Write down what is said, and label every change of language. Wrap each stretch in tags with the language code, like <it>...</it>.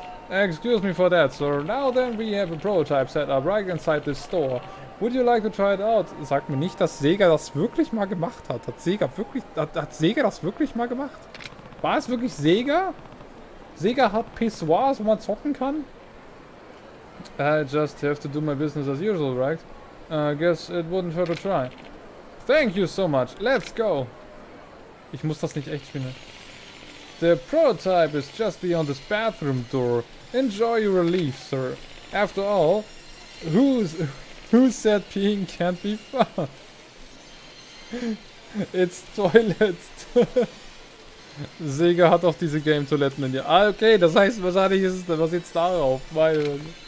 <en>Excuse me for that, sir. Now then, we have a prototype set up right inside this store. Would you like to try it out?</en> <de>Sag mir nicht, dass Sega das wirklich mal gemacht hat. Hat Sega das wirklich mal gemacht? War es wirklich Sega? Sega hat Pissoirs, wo man zocken kann?</de> <en>I just have to do my business as usual, right? I guess it wouldn't hurt to try. Thank you so much. Let's go.</en> <de>Ich muss das nicht echt spielen.</de> <en>The prototype is just beyond this bathroom door. Enjoy your relief, sir. After all, who said peeing can't be fun? It's toilets.</en> <de>Sega hat auch diese Game-Toiletten in dir. Ah, okay, das heißt, wahrscheinlich ist es da, was jetzt darauf, weil...</de>